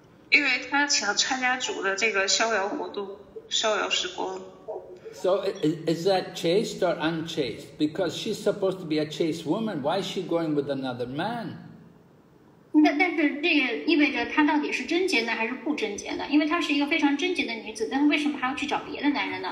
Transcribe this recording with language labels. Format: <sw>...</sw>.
<zh>因为她想参加主的这个逍遥活动，逍遥时光。</zh> <en>So is that chaste or unchaste? Because she's supposed to be a chaste woman. Why is she going with another man?</en> <zh>但是这个意味着她到底是贞洁呢还是不贞洁呢？因为她是一个非常贞洁的女子，但为什么还要去找别的男人呢？</zh>